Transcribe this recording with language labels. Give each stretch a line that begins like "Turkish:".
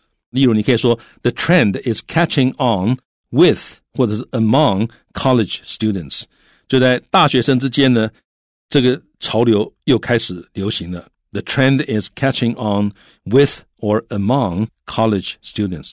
Chinese: 例如你可以说
English: The trend is catching on with
Chinese: 或者是
English: among college students.
Chinese: 就在大学生之间呢这个潮流又开始流行了。
English: The trend is catching on with or among college students.